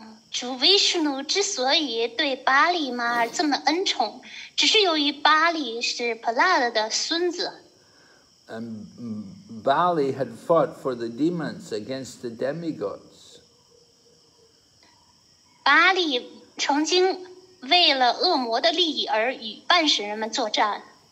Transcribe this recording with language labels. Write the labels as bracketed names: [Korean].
[Chinese] 主维什努之所以对巴利玛尔这么恩宠，只是由于巴利是普拉德的孙子。 [English] And Bali had fought for the demons against the demigods. [Chinese] 巴利曾经为了恶魔的利益而与半神人们作战。